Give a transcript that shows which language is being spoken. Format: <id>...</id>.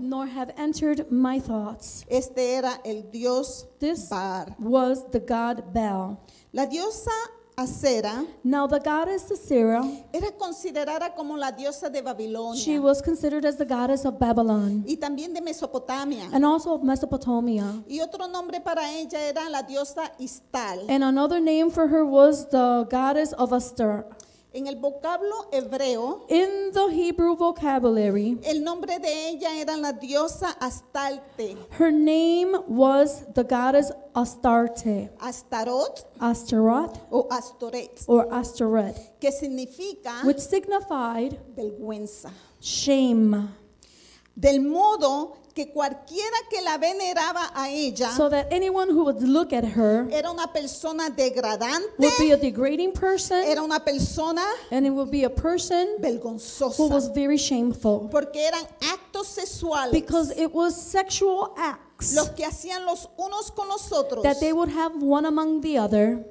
<en>Nor have entered my thoughts.</en> <es>Este era el dios Baal.</es> <en>This was the god Baal.</en> <es>La diosa Asera.</es> <en>Now the goddess Asera.</en> <es>Era considerada como la diosa de Babilonia.</es> <en>She was considered as the goddess of Babylon.</en> <es>Y también de Mesopotamia.</es> <en>And also of Mesopotamia.</en> <es>Y otro nombre para ella era la diosa Ishtar.</es> <en>And another name for her was the goddess of Astar.</en> <es>En el vocablo hebreo.</es> <en>In the Hebrew vocabulary.</en> <es>El nombre de ella era la diosa Astarte.</es> <en>Her name was the goddess Astarte.</en> <es>Astaroth.</es> <en>Astaroth.</en> <es>O Astoreth.</es> <en>Or Astoreth.</en> <es>Que significa.</es> <en>Which signified.</en> <es>Vergüenza.</es> <en>Shame.</en> <es>Del modo que cualquiera que la veneraba a ella,</es> <en>so that anyone who would look at her,</en> <es>era una persona degradante,</es> <en>would be a degrading person,</en> <es>era una persona,</es> <en>and it would be a person,</en> <es>vergonzosa,</es> <en>who was very shameful,</en> <es>porque eran actos sexuales,</es> <en>because it was sexual acts,</en> <es>los que hacían los unos con los otros,</es> <en>that they would have one among the other,</en>